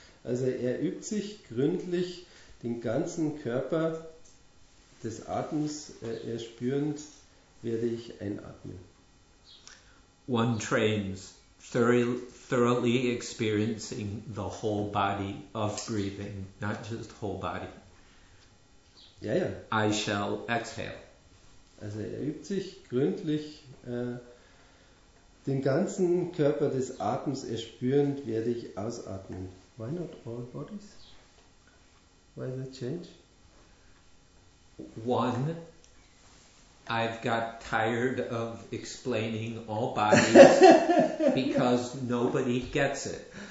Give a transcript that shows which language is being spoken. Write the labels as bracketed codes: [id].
[de] Also er übt sich gründlich den ganzen Körper des Atems, erspürend, werde ich einatmen. [en] One trains thoroughly experiencing the whole body of breathing, not just whole body. [de] Ja, ja. [en] I shall exhale. [de] Also er übt sich gründlich den ganzen Körper des Atems erspürend, werde ich ausatmen. [en] Why not all bodies? Why the change? One, I've got tired of explaining all bodies because nobody gets it.